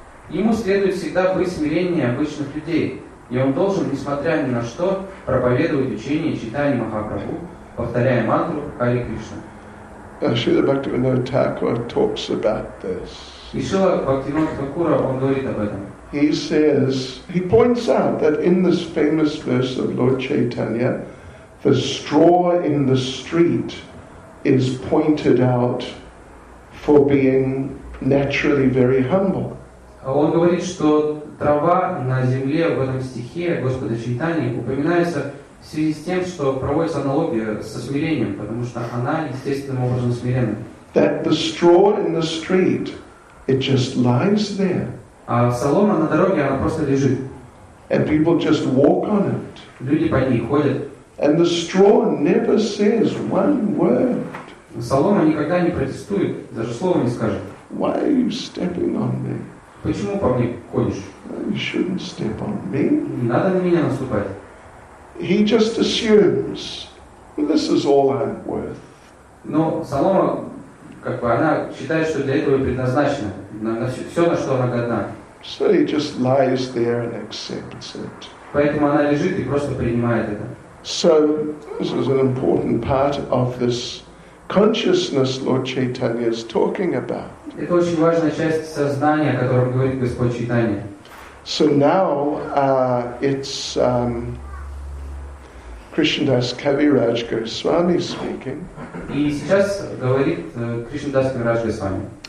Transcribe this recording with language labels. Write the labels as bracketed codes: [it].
[ru] Ему следует всегда быть смиреннее обычных людей, и он должен, несмотря ни на что, проповедовать учение Чайтаньи Махапрабху, повторяя мантру Хари Кришна. [en] Шрила Бхактивинода Тхакура talks about this. [ru] И Шрила Бхактивинода Тхакура, он говорит об этом. [en] He says, he points out that in this famous verse of Lord Chaitanya, the straw in the street is pointed out for being naturally very humble. [ru] Он говорит, что трава на земле в этом стихе Господа Чайтаньи упоминается в связи с тем, что проводится аналогия со смирением, потому что она естественным образом смиренна. [en] That the straw in the street, it just lies there. [ru] А солома на дороге, она просто лежит. [en] And people just walk on it. [ru] Люди по ней ходят. [en] And the straw never says one word. [ru] Солома никогда не протестует, даже слова не скажет. [en] Why are you stepping on me? [ru] Почему по мне ходишь? [en] You shouldn't step on me. [ru] Не надо на меня наступать. [en] He just assumes this is all I'm worth. [ru] Но Солома, как бы, она считает, что для этого и предназначена, на все, на что она годна. [en] So he just lies there and accepts it. [ru] Поэтому она лежит и просто принимает это. [en] So this is an important part of this consciousness Lord Chaitanya is talking about. [ru] Это очень важная часть сознания, о котором говорит Господь Чайтанья. [en] So now it's Krishnadas Kaviraj Goswami speaking. [ru] И сейчас говорит Кришнадас Кавирадж Госвами.